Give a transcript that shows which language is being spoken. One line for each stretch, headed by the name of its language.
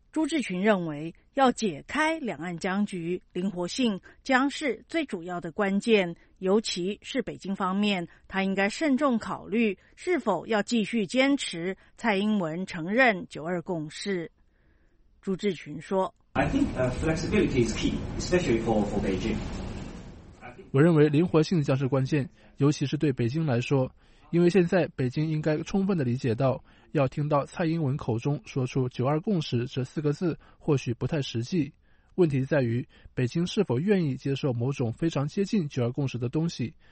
Chinese: 朱志群认为，要解开两岸僵局，灵活性将是最主要的关键，尤其是北京方面，他应该慎重考虑是否要继续坚持蔡英文承认九二共识。朱志群说，
English: I think flexibility is key, especially for Beijing.
Chinese: 我认为灵活性将是关键，尤其是对北京来说，因为现在北京应该充分地理解到，要听到蔡英文口中说出九二共识这四个字或许不太实际。问题在于北京是否愿意接受某种非常接近九二共识的东西。